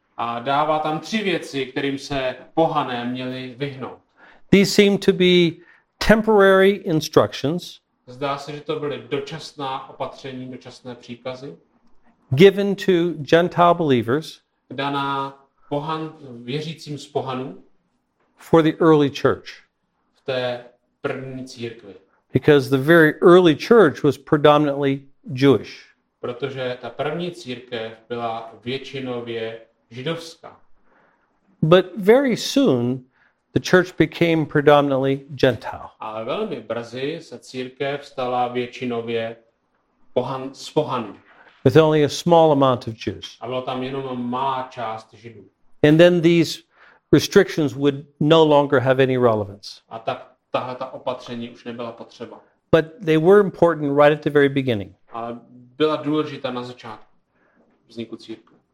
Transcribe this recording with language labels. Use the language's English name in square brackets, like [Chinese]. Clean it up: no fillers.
[Czech] A dává tam tři věci, kterým se pohané měli vyhnout. [English] These seem to be temporary instructions. [Czech] Zdá se, že to byly dočasná opatření, dočasné příkazy. [English] Given to Gentile believers. [Czech] Daná pohan, věřícím z pohanů. [English] For the early church. [Czech] V té první církvi. [English] Because the very early church was predominantly Jewish. [Czech] Protože ta první církev byla většinově židovská. [English] But very soon the church became predominantly Gentile. [Czech] A velmi brzy se církev stala většinově pohan, z pohanů. [English] With only a small amount of Jews. [Czech] A bylo tam jenom malá část Židů. [English] And then these restrictions would no longer have any relevance. [Czech] A tak tahle ta opatření už nebyla potřeba. [English] But they were important right at the very beginning. [Czech] Ale byla důležitá na začátku vzniku církve.